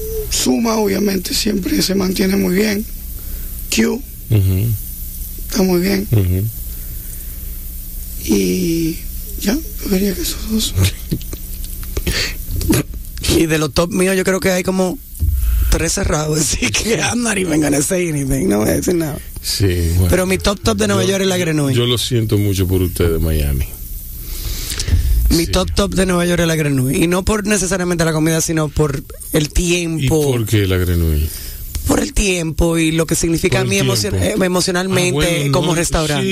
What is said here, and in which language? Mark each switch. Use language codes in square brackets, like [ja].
[es] Suma, obviamente, siempre se mantiene muy bien. Q. Uh-huh. Está muy bien. Uh-huh. Y ya, yo diría que esos dos. Y de los top míos, yo creo que hay como tres cerrados. Así que [en] I'm not even gonna say anything. [es] No voy a decir nada. Sí, bueno. Pero mi top de Nueva York es la Grenouille. Yo lo siento mucho por ustedes de Miami. Mi sí. top de Nueva York es la Grenouille. Y no por necesariamente la comida, sino por el tiempo. ¿Y por qué la Grenouille? Por el tiempo y lo que significa a mí emocionalmente como restaurante.